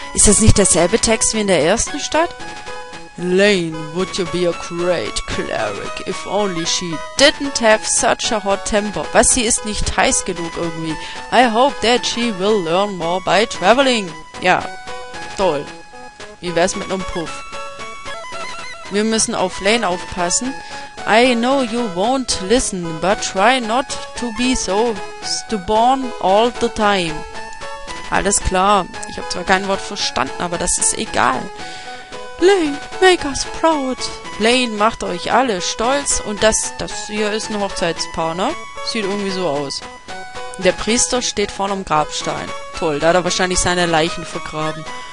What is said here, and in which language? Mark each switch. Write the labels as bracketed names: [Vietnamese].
[German] Ist das nicht derselbe Text wie in der ersten Stadt? [English] Lane, would you be a great cleric if only she didn't have such a hot temper. [German] Was, sie ist nicht heiß genug irgendwie. [English] I hope that she will learn more by traveling. [German] Ja, toll. Wie wär's mit einem Puff? Wir müssen auf Lane aufpassen. [English] I know you won't listen, but try not to be so stubborn all the time. [German] Alles klar. Ich habe zwar kein Wort verstanden, aber das ist egal. [English] Lane, make us proud. [German] Lane, macht euch alle stolz. Und das hier ist ein Hochzeitspaar, ne? Sieht irgendwie so aus. Der Priester steht vorne am Grabstein. Toll, da hat er wahrscheinlich seine Leichen vergraben.